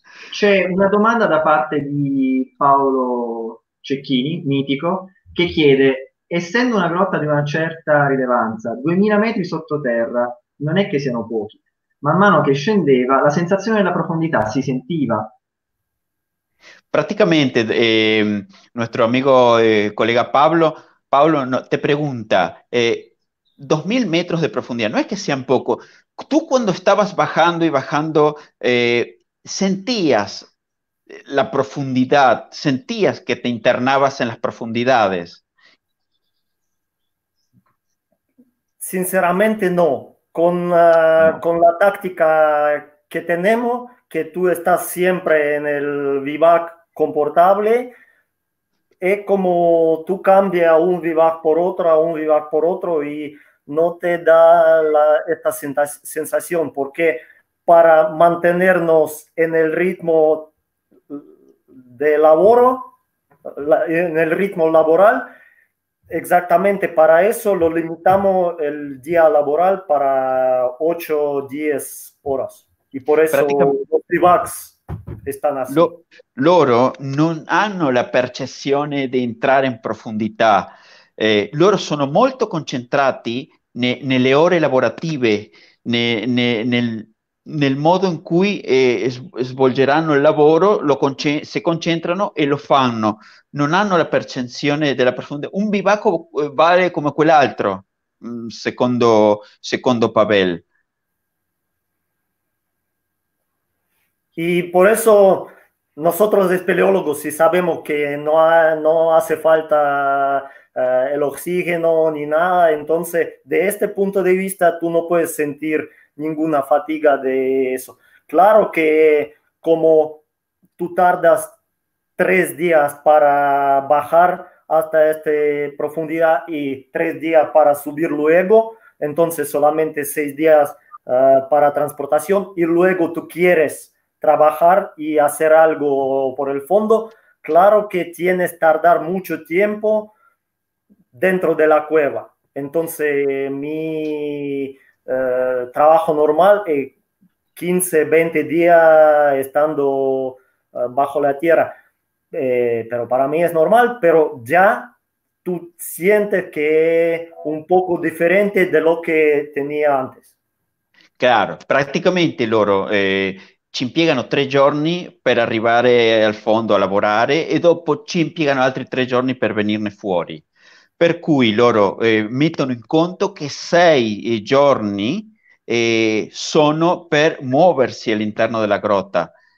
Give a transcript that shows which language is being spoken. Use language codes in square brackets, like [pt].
[it] C'è una domanda da parte di Paolo Cecchini, mitico, che chiede: essendo una grotta di una certa rilevanza, 2000 metri sottoterra, non è che siano pochi. Man mano che scendeva, la sensazione della profondità si sentiva. [es] Praticamente, nuestro amigo colega Pablo no, te pregunta, 2000 metros de profundidad, no es que sean poco. Tú cuando estabas bajando y bajando, sentías la profundidad, sentías que te internabas en las profundidades. Sinceramente no, No. con la táctica que tenemos, que tú estás siempre en el vivac confortable, es como tú cambias un vivac por otro, a un vivac por otro y no te da esta sensación, porque para mantenernos en el ritmo de laboro, en el ritmo laboral. Exactamente, para eso lo limitamos el día laboral para 8 o 10 horas. Y por eso Prácticamente, los bivacs están así. [it] loro non hanno la percezione di entrare in profondità. Loro sono molto concentrati nelle ore lavorative, nel modo in cui svolgeranno il lavoro, si concentrano e lo fanno. Non hanno la percezione della profondità. Un bivacco vale come quell'altro, secondo Pavel. [es] Y por eso nosotros espeleólogos sí sabemos que no hace falta el oxígeno ni nada. Entonces, de este punto de vista, tú no puedes sentir ninguna fatiga de eso. Claro que como tú tardas 3 días para bajar hasta esta profundidad y 3 días para subir luego, entonces solamente 6 días para transportación y luego tú quieres trabajar y hacer algo por el fondo, claro que tienes tardar mucho tiempo dentro de la cueva. Entonces, mi trabajo normal es 15, 20 días estando bajo la tierra, pero para mí es normal, pero ya tú sientes que es un poco diferente de lo que tenía antes. [it] Claro, praticamente loro ci impiegano 3 giorni per arrivare al fondo a lavorare e dopo ci impiegano altri 3 giorni per venirne fuori. Per cui loro mettono in conto che 6 giorni sono per muoversi all'interno della grotta.